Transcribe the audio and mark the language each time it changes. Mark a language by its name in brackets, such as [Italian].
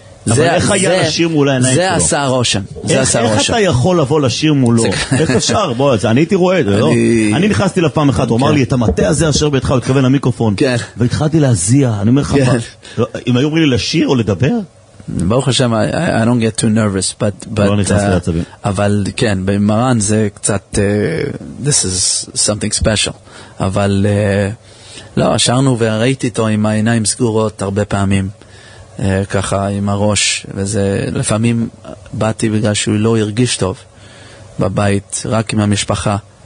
[Hebrew] אבל איך היה לשיר מול העיניים שלו? זה עשה הרושם. איך אתה יכול לבוא לשיר מולו? איך אפשר? בוא, אני הייתי רואה את זה, לא? אני נכנסתי לה פעם אחת, הוא אמר לי, את המטה הזה אשר בידך, הוא התכוון למיקרופון. כן. והתחלתי להזיע, אני אומר לך, אם היו אומרים לי לשיר או לדבר? ברוך השם, [English] I don't get too nervous, but... [Hebrew] לא נכנס לעצבים. אבל כן, במרן זה קצת... [English] This is something special. [Hebrew] אבל לא, אשרנו וראיתי אותו עם העיניים סגורות הרבה פעמים. ככה עם הראש, וזה לפעמים באתי בגלל שהוא לא הרגיש טוב בבית, רק עם המשפחה,